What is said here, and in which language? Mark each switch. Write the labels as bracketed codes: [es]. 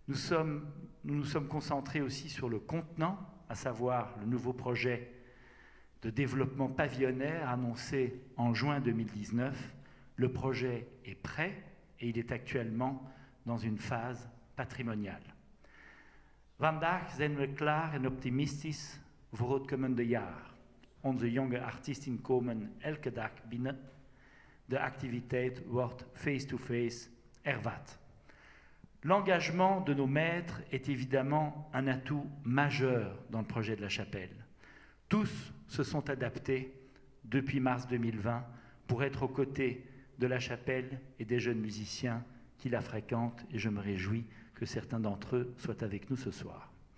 [fr] Nous nous sommes concentrés aussi sur le contenant, à savoir le nouveau projet de développement pavillonnaire annoncé en juin 2019. Le projet est prêt et il est actuellement dans une phase patrimoniale. [nl] Vandaag zijn we klaar en optimistisch voor het komende jaar. Onze jonge artiesten komen elke dag binnen. De activiteit wordt face-to-face ervat. [fr] L'engagement de nos maîtres est évidemment un atout majeur dans le projet de la chapelle. Tous se sont adaptés depuis mars 2020 pour être aux côtés de la chapelle et des jeunes musiciens qui la fréquentent et je me réjouis que certains d'entre eux soient avec nous ce soir.